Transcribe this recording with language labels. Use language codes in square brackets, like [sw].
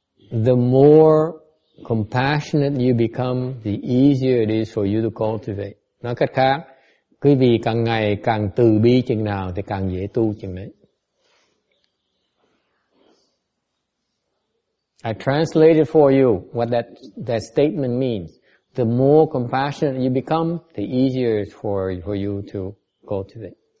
[en] The more compassionate you become, the easier it is for you to cultivate. [vi] Nói cách khác, quý vị càng ngày càng từ bi chừng nào thì càng dễ tu chừng đấy. [en] I translated for you what that statement means. The more compassionate you become, the easier it is for you to cultivate.